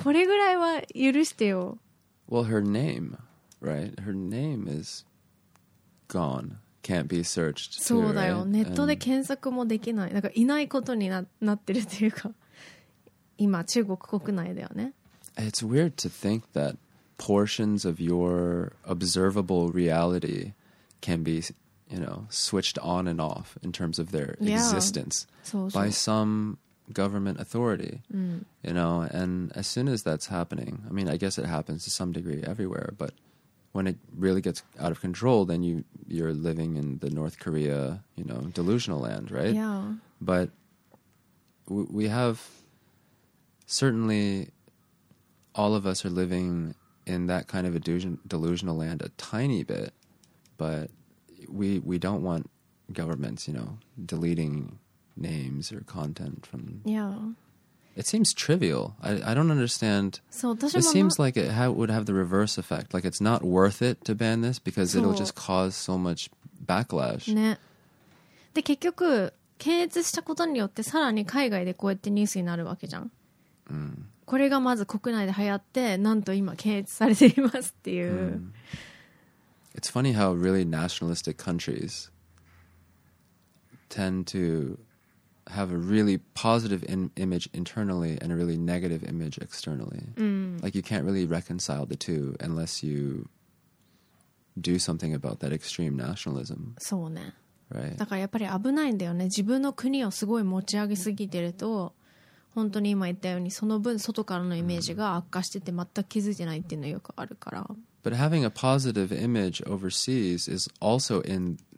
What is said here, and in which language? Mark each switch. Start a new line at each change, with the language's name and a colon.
Japanese: これぐらいは許してよ。
English: Well, her name, right? Her name is goneCan't be searched.
Japanese: そうだよ。ネットで検索もできない。なんかいないことに なってるっていうか、今中国国内だよね。
English: It's weird to think that portions of your observable reality can be, you know, switched on and off in terms of their existence by some government authority. You know, and as soon as that's happening, I mean, I guess it happens to some degree everywhere, but. When it really gets out of control, then you're living in the North Korea, you know, delusional land, right? Yeah. But we have certainly, all of us are living in that kind of a delusional land a tiny bit, but we don't want governments, you know, deleting names or content from... Yeah. It seems trivial. I don't understand. It seems like it would have the reverse effect. Like it's not worth it to ban this because it'll just cause so much backlash.
Japanese: ね。で、結局、検閲したことによってさらに海外でこうやってニュースになるわけじゃん。これがまず国内で流行って、なんと今検閲されていますっていう。
English: It's funny how really nationalistic countries tend to... have a really positive image internally and a really negative image externally. Like you can't really reconcile the two unless you do something about that extreme nationalism.
Japanese: そうね。
English: Right.
Japanese: だからやっぱり危ないんだよね。自分の国をすごい持ち上げすぎてると、本当に今言ったようにその分外からのイメージが悪化してて全く気づいてないっていうのよくあるから。
English: But having a positive image overseas is also in